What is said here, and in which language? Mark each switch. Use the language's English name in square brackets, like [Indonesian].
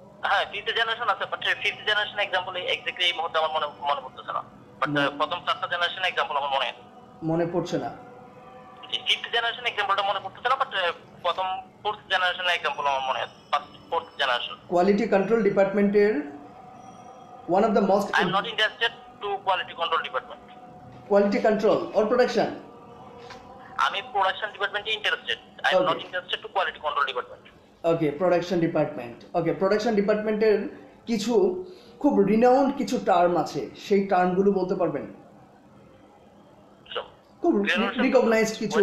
[Bangla] হ্যাঁ, fifth generation আছে, [English] but fifth generation example exactly [Bangla] মোটে আমার মনে পড়ছে না, but প্রথম চারটা generation example আমার মনে পড়ছে না। fifth generation exampleটা মনে পড়ছে না, but প্রথম fourth generation example আমার মনে আছে, fourth generation. [English] Quality control department এর one of the most. I'm not interested to quality control department. Quality control or production? [Bangla] আমি প্রোডাকশন ডিপার্টমেন্টে interested, [English] I am not interested to quality control department. Okay, production department. [Bangla] Okay, production ডিপার্টমেন্টের কিছু খুব renowned কিছু term আছে, সেই টার্মগুলো বলতে পারবেন? হ্যাঁ, খুব রিকগনাইজড কিছু